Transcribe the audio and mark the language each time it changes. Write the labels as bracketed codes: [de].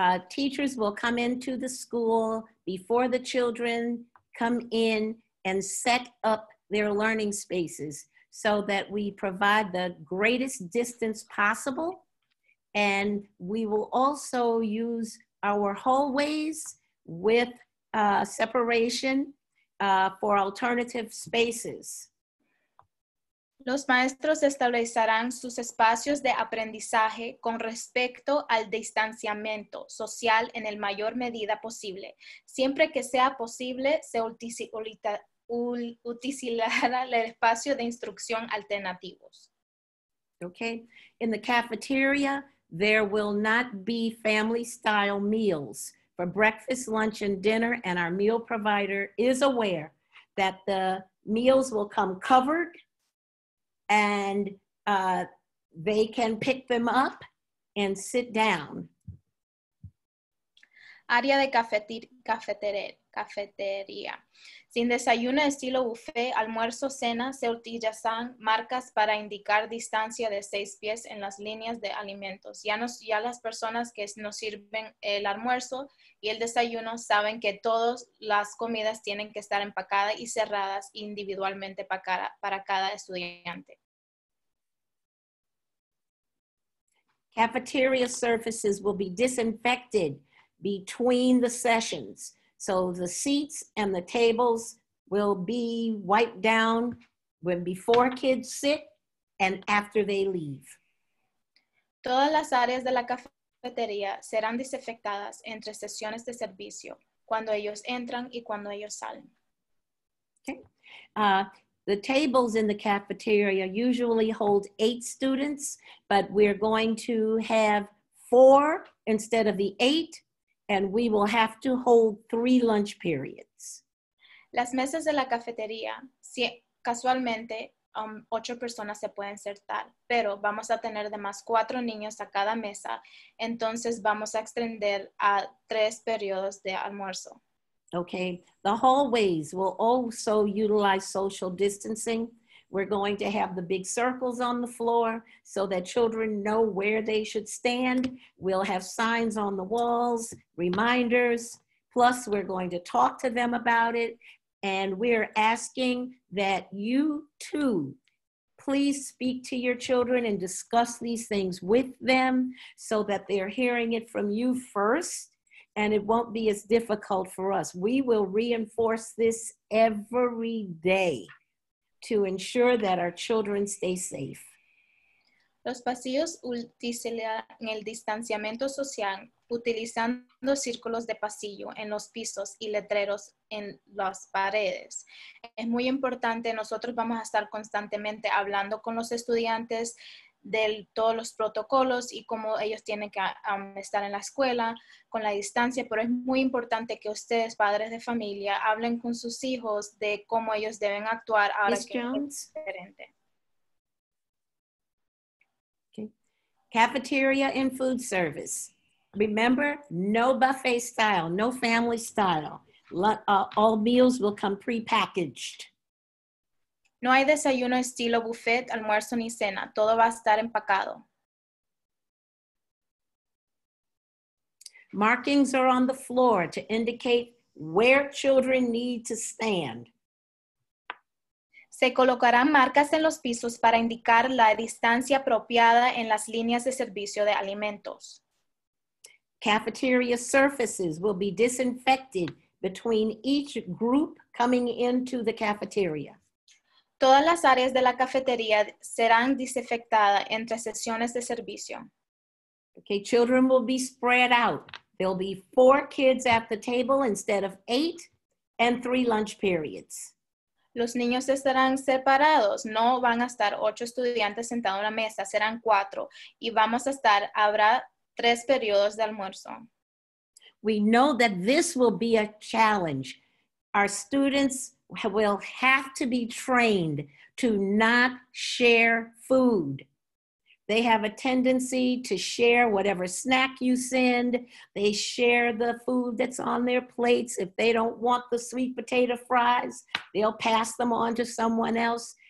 [en] Teachers will come into the school before the children come in and set up their learning spaces so that we provide the greatest distance possible. And we will also use our hallways with separation for alternative spaces. [es] Los maestros establecerán sus espacios de aprendizaje con respecto al distanciamiento social en el mayor medida posible. Siempre que sea posible, se utilizará el espacio de instrucción alternativos. [en] Okay. In the cafeteria, there will not be family-style meals for breakfast, lunch, and dinner, and our meal provider is aware that the meals will come covered and they can pick them up and sit down. [es] Área de cafetería. Sin desayuno estilo buffet, almuerzo, cena, se utilizan marcas para indicar distancia de 6 pies en las líneas de alimentos. Ya las personas que nos sirven el almuerzo y el desayuno saben que todas las comidas tienen que estar empacadas y cerradas individualmente para cada estudiante. [en] Cafeteria surfaces will be disinfected between the sessions. So the seats and the tables will be wiped down when before kids sit and after they leave. [es] Todas las áreas de la cafetería serán desinfectadas entre sesiones de servicio, cuando ellos entran y cuando ellos salen. [en] Okay. The tables in the cafeteria usually hold 8 students, but we're going to have 4 instead of the 8, and we will have to hold 3 lunch periods. [es] Las mesas de la cafetería, si, casualmente, 8 personas se pueden sentar, pero vamos a tener de más 4 niños a cada mesa, entonces vamos a extender a 3 periodos de almuerzo. [en] Okay, the hallways will also utilize social distancing. We're going to have the big circles on the floor so that children know where they should stand. We'll have signs on the walls, reminders, plus we're going to talk to them about it. And we're asking that you too, please speak to your children and discuss these things with them so that they're hearing it from you first. And it won't be as difficult for us. We will reinforce this every day to ensure that our children stay safe. [es] Los pasillos utilizan el distanciamiento social utilizando círculos de pasillo en los pisos y letreros en las paredes. Es muy importante, nosotros vamos a estar constantemente hablando con los estudiantes de todos los protocolos y cómo ellos tienen que estar en la escuela con la distancia, pero es muy importante que ustedes, padres de familia, hablen con sus hijos de cómo ellos deben actuar ahora [en] Ms. [es] que [en] Jones. [es] Es diferente. [en] Okay. Cafeteria and food service. Remember, no buffet style, no family style. All meals will come prepackaged. [es] No hay desayuno estilo buffet, almuerzo ni cena. Todo va a estar empacado. [en] Markings are on the floor to indicate where children need to stand. [es] Se colocarán marcas en los pisos para indicar la distancia apropiada en las líneas de servicio de alimentos. [en] Cafeteria surfaces will be disinfected between each group coming into the cafeteria. [es] Todas las áreas de la cafetería serán desinfectadas entre sesiones de servicio. [en] Okay, children will be spread out. There'll be 4 kids at the table instead of 8 and 3 lunch periods. [es] Los niños estarán separados. No van a estar 8 estudiantes sentados en la mesa. Serán 4. Y vamos a estar, habrá 3 periodos de almuerzo. [en] We know that this will be a challenge. Our students will have to be trained to not share food. They have a tendency to share whatever snack you send. They share the food that's on their plates. If they don't want the sweet potato fries, they'll pass them on to someone else.